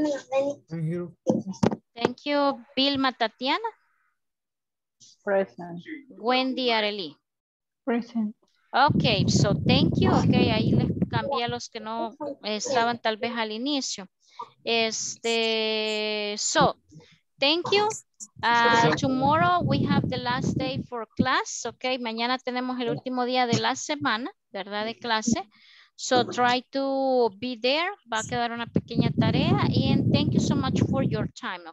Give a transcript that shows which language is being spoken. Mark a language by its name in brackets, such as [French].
[English] Thank you. Vilma Tatiana. Present. Wendy Arely. Present. Okay, so thank you. [Spanish] Okay, ahí les cambié a los que no estaban tal vez al inicio. [English] So thank you. Tomorrow we have the last day for class. [Spanish] Okay, mañana tenemos el último día de la semana, ¿verdad? De clase. [English] So try to be there. [Spanish] Va a quedar una pequeña tarea. [English] And thank you so much for your time.